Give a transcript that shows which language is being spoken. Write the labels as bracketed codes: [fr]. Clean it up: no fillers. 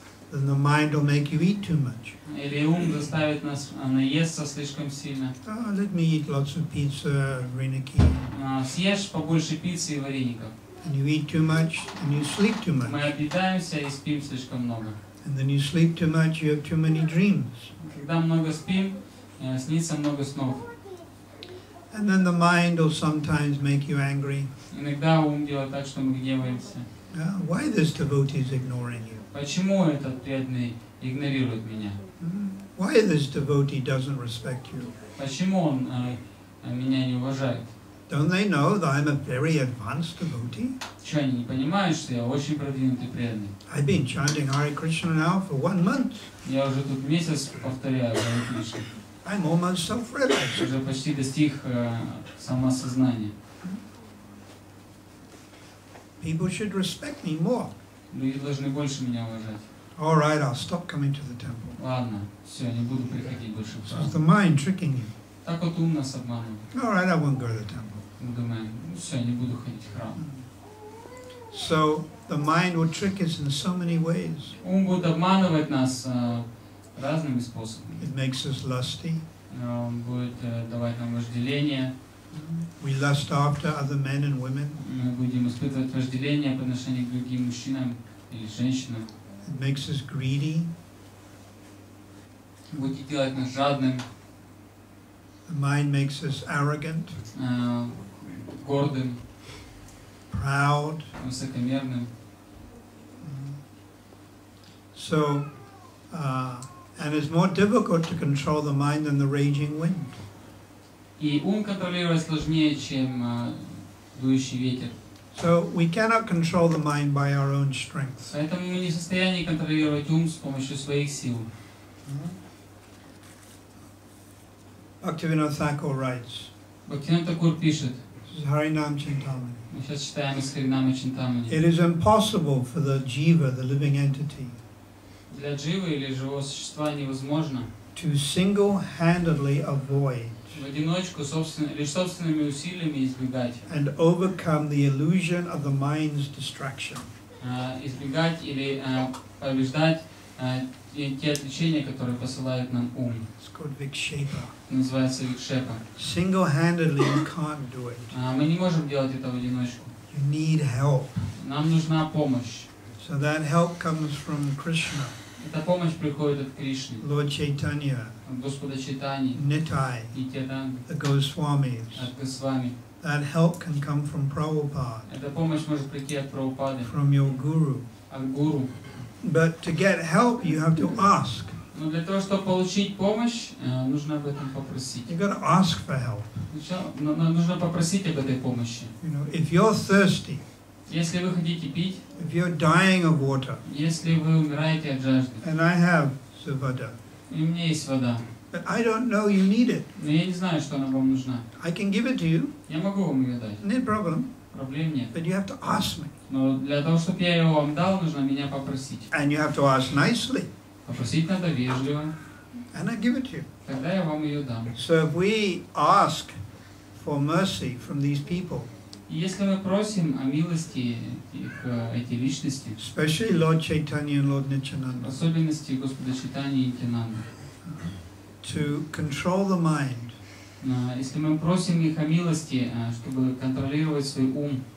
[en] Then the mind will make you eat too much. [ru] Или ум заставит нас наесться слишком сильно. [en] Oh, let me eat lots of pizza, vareniki. [ru] Съешь побольше пиццы и вареников. [en] And you eat too much, and you sleep too much. [ru] Мы объедаемся и спим слишком много. [en] And then you sleep too much, you have too many dreams. [ru] Когда много спим, снится много снов. [en] And then the mind will sometimes make you angry. [ru] Иногда ум делает так, что мы гневаемся. [en] Why this devotee is ignoring you? [ru] Почему этот преданный игнорирует меня? [en] Why this devotee doesn't respect you? [ru] Почему он меня не уважает? [en] Don't they know that I'm a very advanced devotee? [ru] Что, они не понимают, что я очень продвинутый преданный? [en] I've been chanting Hare Krishna now for 1 month. [ru] Я уже тут месяц повторяю Hare Krishna. [en] I'm almost self-realized. [ru] Уже почти достиг самосознания. [en] People should respect me more. [ru] Люди должны больше меня уважать. [en] All right, I'll stop coming to the temple. [ru] Ладно, все, не буду приходить больше. [en] So is the mind tricking you? [ru] Так вот ум нас обманывает. [en] All right, I won't go to the temple. [ru] Думаю, все, не буду ходить в храм. [en] So the mind will trick us in so many ways. [ru] Ум будет обманывать нас разными способами. [en] It makes us lusty. [ru] Он будет давать нам вожделение. [en] We lust after other men and women. [ru] Мы будем испытывать вожделение по отношению к другим мужчинам или женщинам. [en] It makes us greedy. [ru] Будет делать нас жадным. [en] The mind makes us arrogant. [ru] Гордым. [en] Proud. [ru] Высокомерным. [en] So, and it's more difficult to control the mind than the raging wind. [ru] И ум контролировать сложнее, чем дующий ветер. [en] So we cannot control the mind by our own strength. [ru] Поэтому мы не в состоянии контролировать ум с помощью своих сил. Бхактивинода Тхакур writes. Бхактивинода Тхакур пишет. Харинам Чинтамани. Мы сейчас читаем из Харинама Чинтамани. [en] It is impossible for the jiva, the living entity. [ru] Для дживы или живого существа невозможно. [en] To single-handedly avoid. [ru] В одиночку лишь собственными усилиями избегать. [en] And overcome the illusion of the mind's distraction. [ru] Избегать или побеждать те отвлечения, которые посылает нам ум. [en] It's called Vikshepa. [ru] Называется Vikshepa. [en] Single-handedly you can't do it. [ru] Мы не можем делать это в одиночку. [en] You need help. [ru] Нам нужна помощь. [en] So that help comes from Krishna. [ru] Эта помощь приходит от Кришны. [en] Lord Chaitanya. [ru] Господа Чайтани, Нитай, [en] the Госвамис, that help can come from Prabhupada, [ru] эта помощь может прийти от Прабхупады, [en] from your guru. [ru] От гуру. [en] But to get help, you have to ask. [ru] Но для того, чтобы получить помощь, нужно об этом попросить. [en] You got to ask for help. [ru] Нужно попросить об этой помощи. [en] You know, if you're thirsty, [ru] если вы хотите пить, [en] if you're dying of water, [ru] если вы умираете от жажды, [en] and I have Zavada. [ru] И у меня есть вода. [en] But I don't know you need it. [ru] Но я не знаю, что она вам нужна. [en] I can give it to you. [ru] Я могу вам ее дать. [en] No problem. [ru] Проблем нет. [en] But you have to ask me. [ru] Но для того, чтобы я ее вам дал, нужно меня попросить. [en] And you have to ask nicely. [ru] Попросить надо вежливо. [en] And I give it to you. [ru] Тогда я вам ее дам. [en] So if we ask for mercy from these people, [ru] Если мы просим о милости их, эти личности, [en] especially Lord Chaitanya and Lord Nityananda, [ru] особенности Господа Чайтаньи и Нитьянанды, [en] to control the mind, [ru] если мы просим их о милости, чтобы контролировать свой ум,